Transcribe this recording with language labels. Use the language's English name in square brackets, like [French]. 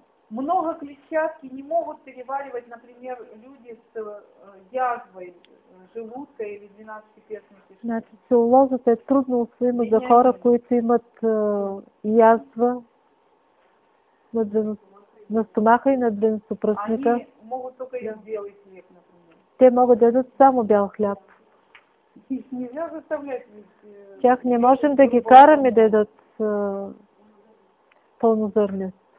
[Russian] Много клетчатки не могут переваривать, например, люди с язвой желудка или 12-перстной кишки. [Bulgarian] Значи целулозата е трудно усвоима за хора, които имат язва на стомаха и на двенцопръстника. [Russian] Они могут только из белый хлеб, например. [Bulgarian] Те могат да дадат само бял хляб. [Russian] Нельзя заставлять. [Bulgarian] Тях не можем да ги караме да дадат пълнозърни.